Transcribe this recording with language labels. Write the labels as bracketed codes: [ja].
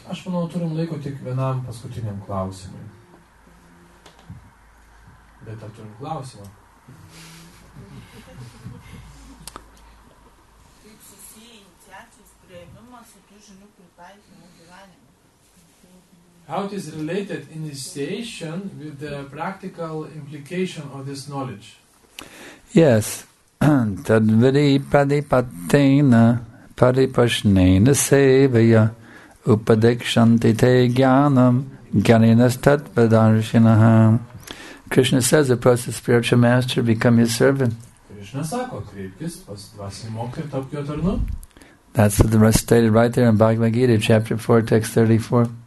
[lt] Aš manau, turim laiko tik vienam paskutiniam klausimui. Bet ar turim klausimą? Kaip susiję iniciacijos prieimimą su tų žinių pritaikymu gyvenime? [en] How it is related initiation with the practical implication of this knowledge? [sa] Yes. Tadvidi padipatena paripashnena sevaya upadikshanti te jnanam jnaninas tatvadarshinaha. [en] Krishna says, approach the spiritual master, become his servant. [lt] Krishna sako, kreipkis pas dvasinį mokytoją ir tapk jo tarnu. [en] That's what the rest stated right there in Bhagavad Gita, chapter 4, text 34.